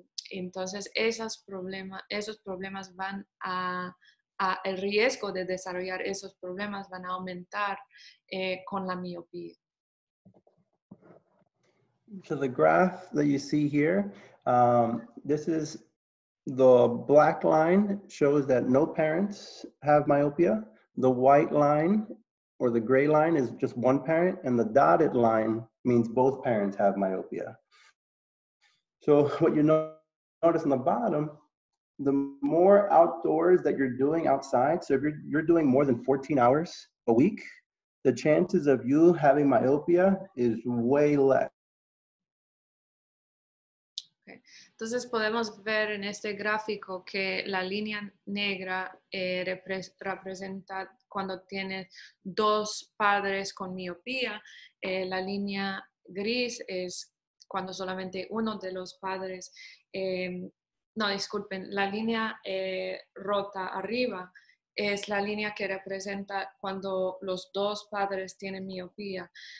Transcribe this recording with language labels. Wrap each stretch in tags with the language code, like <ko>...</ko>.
<es>Entonces, esos problemas van a el riesgo de desarrollar esos problemas van a aumentar con la miopía.</es> <en>So the graph that you see here, this is the black line shows that no parents have myopia. The white line or the gray line is just one parent, and the dotted line means both parents have myopia. So what you notice on the bottom, the more outdoors that you're doing outside, so if you're doing more than 14 hours a week, the chances of you having myopia is way less.</en> <es>Entonces podemos ver en este gráfico que la línea negra representa cuando tienes dos padres con miopía. La línea gris es cuando solamente uno de los padres, la línea rota arriba es la línea que representa cuando los dos padres tienen miopía.</es>